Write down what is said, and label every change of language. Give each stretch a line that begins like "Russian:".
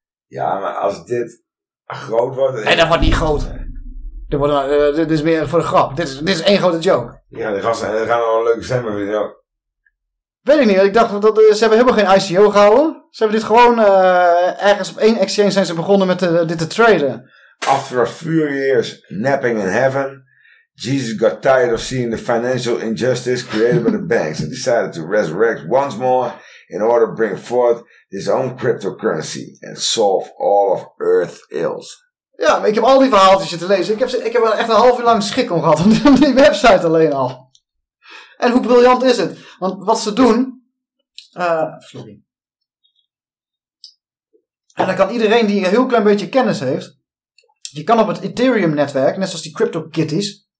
Dutch: Ja, maar als dit groot wordt. Nee, dat wordt niet groot. Dit is meer voor de grap. Dit is één grote joke. Ja, die gasten gaan wel een leuke stemmen voor jou. Weet ik niet. Ik dacht dat ze hebben helemaal geen ICO gehouden. Ze hebben dit gewoon ergens op één exchange zijn ze begonnen met dit te traden.
English: After a few years napping in heaven, Jesus got tired of seeing the financial injustice created by the banks and decided to resurrect once more in order to bring forth his own cryptocurrency and solve all of Earth's ills.
Dutch: Ja, maar ik heb al die verhaaltjes te lezen. Ik heb er echt een half uur lang schik om gehad van die website alleen al. En hoe briljant is het? Want wat ze doen... Sorry. En dan kan iedereen die een heel klein beetje kennis heeft... Je kan op het Ethereum-netwerk, net zoals die CryptoKitties...